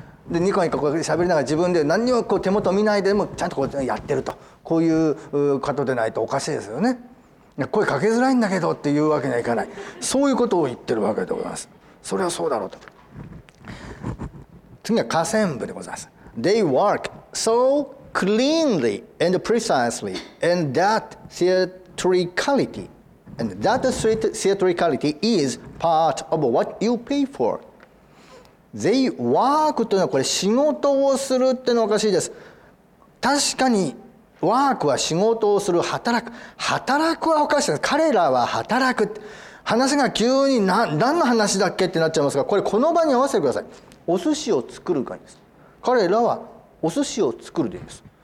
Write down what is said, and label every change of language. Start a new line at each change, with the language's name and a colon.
Japanese: でニコニコこう喋りながら自分で何をこう手元見ないでもちゃんとこうやってると、こういう方でないとおかしいですよね。声かけづらいんだけどっていうわけにはいかない、そういうことを言ってるわけでございます。それはそうだろうと。次は下線部でございます。
English: They work so cleanly and precisely and that theatricality and that theatricality is part of what you pay for。 They work
Japanese: というのはこれ仕事をするっていうのはおかしいです。確かにワークは仕事をする、働く、働くはおかしいです。彼らは働く、話が急に 何の話だっけってなっちゃいますが、これこの場に合わせてください。お寿司を作る会です。彼らはお寿司を作るでいいです。